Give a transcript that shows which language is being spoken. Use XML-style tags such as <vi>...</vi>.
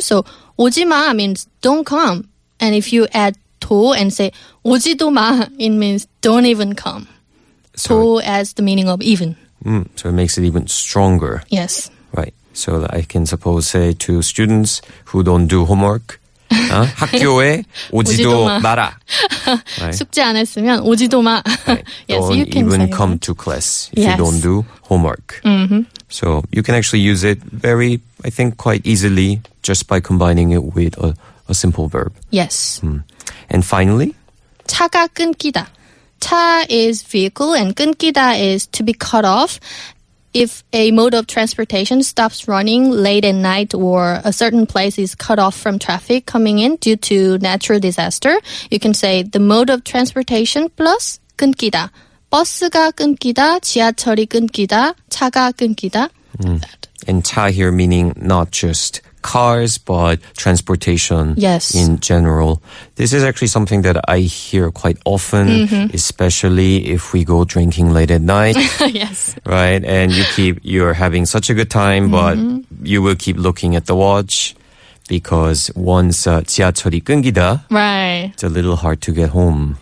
<en>So</en> <ko>오지 마</ko> <en>means don't come. And if you add 도 and say</en> <ko>오지도 마,</ko> <en>it means don't even come. So, 도 as the meaning of even. So it makes it even stronger. Yes. Right. So I can suppose say to students who don't do homework,</en> <ko>학교에 오지도 마라. 숙제 안 했으면 오지도 마.</ko> <en>Yes, don't you can even come to class if you don't do homework. Mm-hmm. So you can actually use it very, I think, quite easily just by combining it with a simple verb. Yes. And finally?</en> <ko>차가 끊기다.</ko> <en>차 is vehicle and 끊기다 is to be cut off. If a mode of transportation stops running late at night or a certain place is cut off from traffic coming in due to natural disaster, you can say the mode of transportation plus 끊기다.</en> <ko>버스가 끊기다, 지하철이 끊기다, 차가 끊기다.</ko> <en>And 차 here meaning not just cars, but transportation in general. This is actually something that I hear quite often, especially if we go drinking late at night. Yes. Right? And you're having such a good time, but you will keep looking at the watch because once</en> <ko>지하철이 끊기다,</ko> <en>it's a little hard to get home.</en>